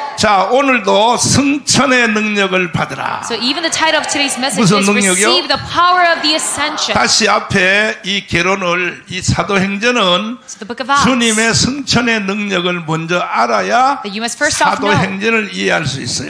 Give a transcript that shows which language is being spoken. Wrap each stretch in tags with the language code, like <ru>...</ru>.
<ko>자, 오늘도 승천의 능력을 받으라.</ko> <en>So even the title of today's message is receive the power of the ascension.</en> <ko>다시 앞에 이 개론을 이 사도행전은 주님의 승천의 능력을 먼저 알아야 사도행전을 이해할 수 있어요.</ko>